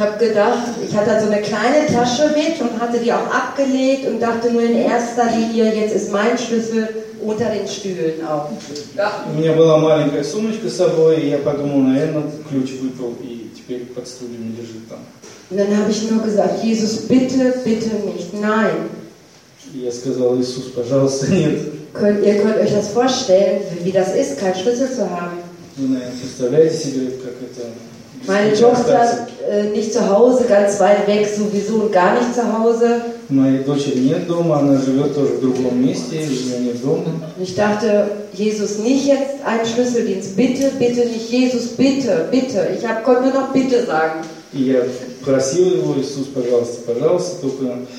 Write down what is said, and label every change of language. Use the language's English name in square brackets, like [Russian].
[German] habe gedacht, ich hatte so eine kleine Tasche mit und hatte die auch abgelegt und dachte nur in erster Linie, jetzt ist mein Schlüssel unter den Stühlen auch. [Russian] У меня была маленькая сумочка с собой, и я подумал, наверное, ключ выпал и теперь под стульем лежит там. [German] Dann habe ich nur gesagt, Jesus, bitte, bitte nicht, nein. [Russian] Я сказал, Иисус, пожалуйста, нет. [German] Ihr könnt euch das vorstellen, wie das ist, keinen Schlüssel zu haben. [Russian] Вы, наверное, представляете себе, как это... [German] Meine Tochter nicht zu Hause, ganz weit weg, sowieso und gar nicht zu Hause. [Russian] Моей дочери нет дома, она живет тоже в другом месте, у меня нет дома. [German] Ich dachte, Jesus, nicht jetzt einen Schlüsseldienst, bitte, bitte nicht, Jesus, bitte, bitte. Ich konnte nur noch bitte sagen. [Russian] И я просил его, Иисус, пожалуйста, пожалуйста, только